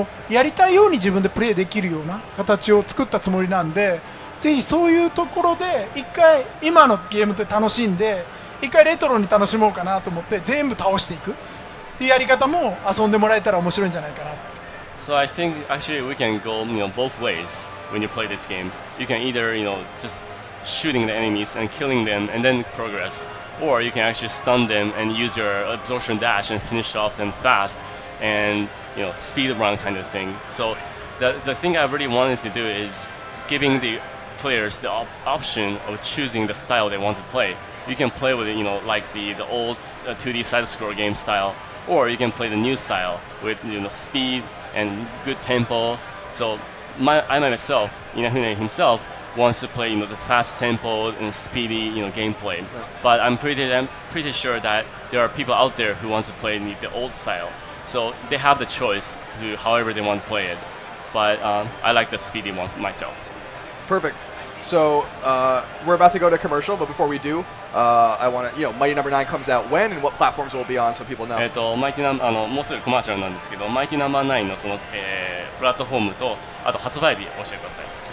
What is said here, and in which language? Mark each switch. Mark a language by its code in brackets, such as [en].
[ja] やりたいように自分でプレイできるような形を作ったつもりなんで、ぜひそういうところで一回今のゲームって楽しんで、一回レトロに楽しもうかなと思って全部倒していくっていうやり方も遊んでもらえたら面白いんじゃないかなって。 [en] So I think actually we can go, you know, both ways when you play this game. You can either, you know, just shooting the enemies and killing them and then progress, or you can actually stun them and use your absorption dash and finish off them fast andyou know, speed run kind of thing. So the thing I really wanted to do is giving the players the option of choosing the style they want to play. You can play with it, you know, like the old 2D side-scroll game style, or you can play the new style with, you know, speed and good tempo. So I myself, Inafune himself, wants to play, you know, the fast tempo and speedy, you know, gameplay. But I'm pretty sure that there are people out there who want to play the old style. So they have the choice to however they want to play it. But I like the speedy one myself. Perfect. So we're about to go to commercial, but before we do, I want to, you know, Mighty No. 9 comes out when and what platforms will it be on so people know? [ja] Mighty No. 9, もうすぐコマーシャルなんですけど、Mighty No. 9のその、プラットフォームと、あと発売日教えてください。